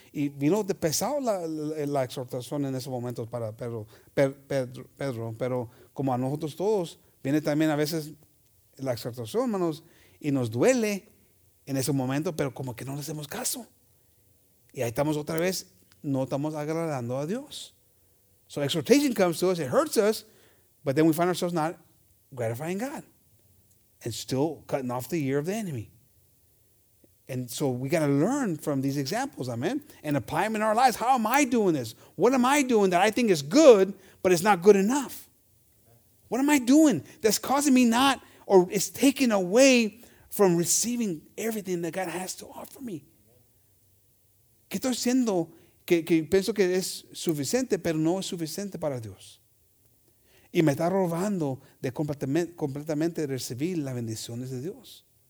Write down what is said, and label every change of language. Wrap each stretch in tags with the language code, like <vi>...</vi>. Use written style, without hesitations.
<es>Y vino de pesado la exhortación en esos momentos para Pedro. Pero como a nosotros todos, viene también a veces la exhortación, hermanos, y nos duele en ese momento, pero como que no le hacemos caso. Y ahí estamos otra vez, no estamos agradando a Dios.</es> <en>So exhortation comes to us, it hurts us, but then we find ourselves not gratifying God and still cutting off the ear of the enemy. And so we got to learn from these examples, amen, and apply them in our lives. How am I doing this? What am I doing that I think is good, but it's not good enough? What am I doing that's causing me not, or is taking away from receiving everything that God has to offer me?</en> <es>¿Qué estoy haciendo que pienso que es suficiente, pero no es suficiente para Dios? Y me está robando de completamente recibir las bendiciones de Dios.</es>